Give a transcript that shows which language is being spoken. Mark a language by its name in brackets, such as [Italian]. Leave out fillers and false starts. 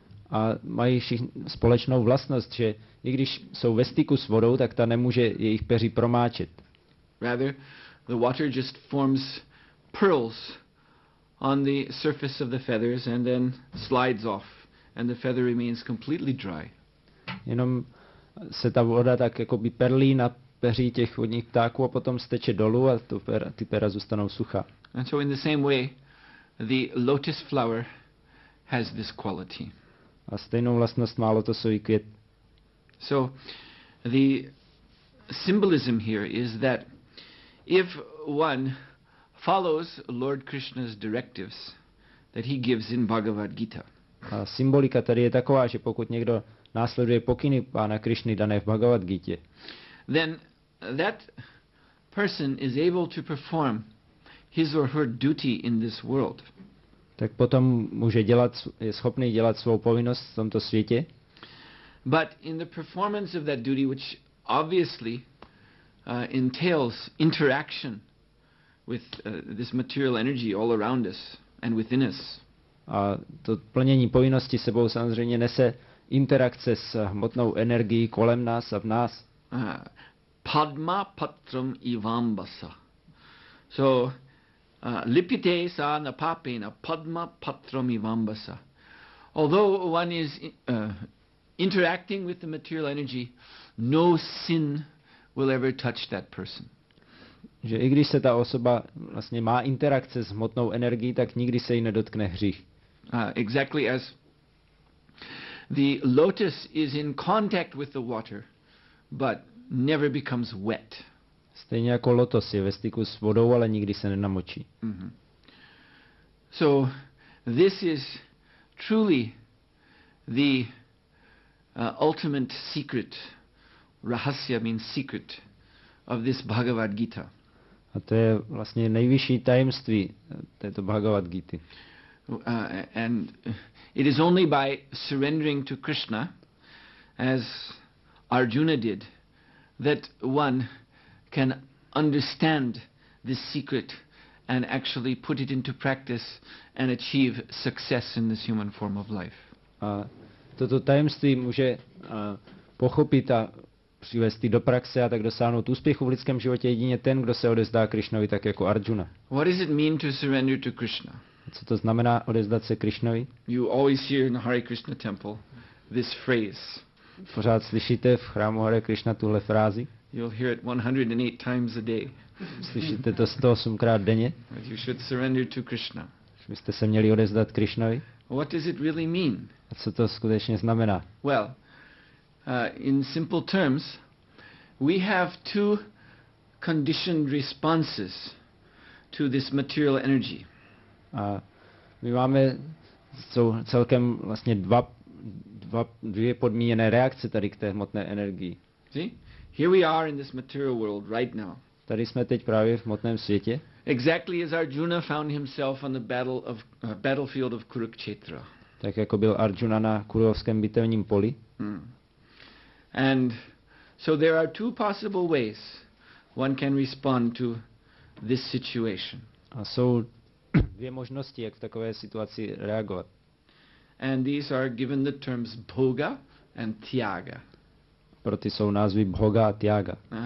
[Czech] A mají společnou vlastnost, že i když jsou ve styku s vodou, tak ta nemůže jejich peří promáčet. [English] Rather, the water just forms pearls on the surface of the feathers and then slides off and the feather remains completely dry. [Czech] Jenom se ta voda tak jako by perlí na peří těch vodních ptáků a potom steče dolů a ty pera zůstanou suchá. [English] And so in the same way, the lotus flower has this quality. [Czech] A stejnou vlastnost má lotosový květ. [English] So the symbolism here is that if one follows Lord Krishna's directives that he gives in Bhagavad Gita. [Czech] A symbolika tady je taková, že pokud někdo následuje pokyny pána Krišny dané v Bhagavad Gita, [English] then that person is able to perform his or her duty in this world. [Czech] Tak potom může dělat, je schopný dělat svou povinnost v tomto světě. [English] But in the performance of that duty, which obviously entails interaction with this material energy all around us and within us. [Czech] A to plnění povinnosti sebou samozřejmě nese interakce s hmotnou energií kolem nás a v nás. [Sanskrit] Padma patram ivambasa. So lipite sa na papena padma patram ivambasa. [English] Although one is interacting with the material energy, no sin will ever touch that person. [Czech] Že i když se ta osoba vlastně má interakce s hmotnou energií, tak nikdy se jí nedotkne hřích. [English] Exactly as the lotus is in contact with the water, but never becomes wet. [Czech] Stejně jako lotos je ve styku s vodou, ale nikdy se nenamočí. [English] So this is truly the ultimate secret. Rahasya means secret of this Bhagavad Gita. [Czech] A to je vlastně nejvyšší tajemství této Bhagavad Gity. [English] And it is only by surrendering to Krishna, as Arjuna did, that one can understand this secret and actually put it into practice and achieve success in this human form of life. [Czech] Toto tajemství může pochopit a přivést do praxe a tak dosáhnout úspěchu v lidském životě jedině ten, kdo se odezdá Krišnovi tak jako Arjuna. [English] What does it mean to surrender to Krishna? [Czech] Co to znamená odezdat se Krišnovi? [English] You always hear in Hare Krishna temple this phrase. [Czech] Pořád slyšíte v chrámu Hare Krishna tuhle frázi? [English] You'll hear it 108 times a day. [Czech] Slyšíte to 108krát denně? [English] You should surrender to Krishna. [Czech] Že byste se měli odezdat Krišnovi? [English] What does it really mean? [Czech] A co to skutečně znamená? [English] Well, in simple terms, we have two conditioned responses to this material energy. [Czech] A my máme celkem vlastně dvě podmíněné reakce tady k té hmotné energii. [English] See? Here we are in this material world right now. [Czech] Tady jsme teď právě v hmotném světě. [English] Exactly as Arjuna found himself on the battlefield of Kurukshetra. [Czech] Tak jako byl Arjuna na kurovském bitevním poli. Hmm. [English] And so there are two possible ways one can respond to this situation. [Czech] A jsou dvě možnosti, jak v takové situaci reagovat. [English] And these are given the terms bhoga and tyaga. [Czech] Proto jsou názvy bhoga a tyaga.